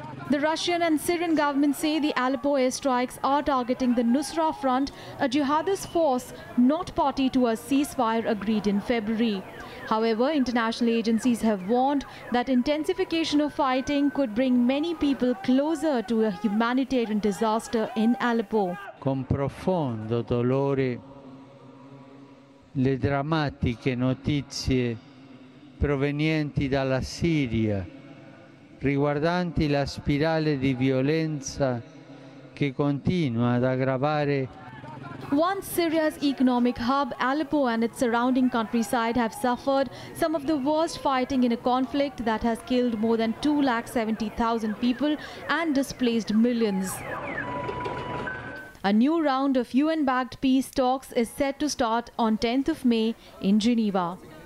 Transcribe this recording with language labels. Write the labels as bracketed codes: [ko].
[en] The Russian and Syrian governments say the Aleppo airstrikes are targeting the Nusra Front, a jihadist force not party to a ceasefire agreed in February. However, international agencies have warned that intensification of fighting could bring many people closer to a humanitarian disaster in Aleppo. [it] Con profondo dolore, le drammatiche notizie provenienti dalla Siria riguardanti la spirale di violenza che continua ad aggravare. [en] Once Syria's economic hub, Aleppo and its surrounding countryside have suffered some of the worst fighting in a conflict that has killed more than 270,000 people and displaced millions. A new round of UN-backed peace talks is set to start on 10th of May in Geneva.